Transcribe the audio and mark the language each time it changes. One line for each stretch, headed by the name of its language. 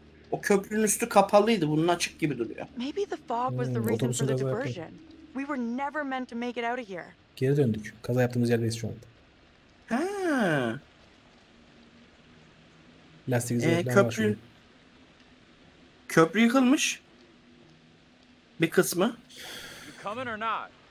Turkish: O köprünün üstü kapalıydı. Bunun açık gibi duruyor.
English: Maybe the fog was the reason for the diversion. We were never meant to make it out of here.
Turkish: Geri döndük. Kaza yaptığımız yerdeyiz şu anda. Ha. Lastik izleyiciler köprü... başlıyor. Köprü yıkılmış. Bir kısmı.
English: You coming or not?